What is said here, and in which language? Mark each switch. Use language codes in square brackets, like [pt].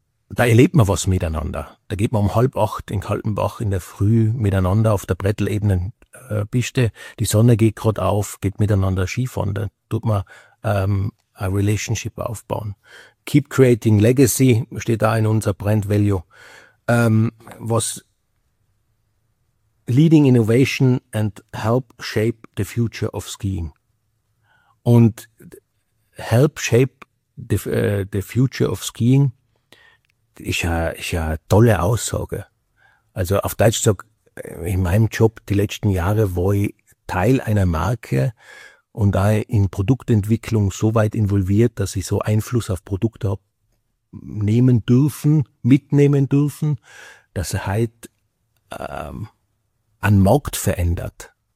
[de] Da erlebt man was miteinander. Da geht man um 7:30 in Kaltenbach in der Früh miteinander auf der Brettlebene Piste, die Sonne geht gerade auf, geht miteinander Skifahren, da tut man a Relationship aufbauen. [en] Keep creating legacy [de] steht da in unser Brand Value. [en] Was leading innovation and help shape the future of skiing. [de] Und [en] help shape the future of skiing [de] ist ja eine tolle Aussage. Also auf Deutsch gesagt, in meinem Job die letzten Jahre war ich Teil einer Marke und da in Produktentwicklung so weit involviert, dass ich so Einfluss auf Produkte habe nehmen dürfen, mitnehmen dürfen, dass er halt einen Markt verändert.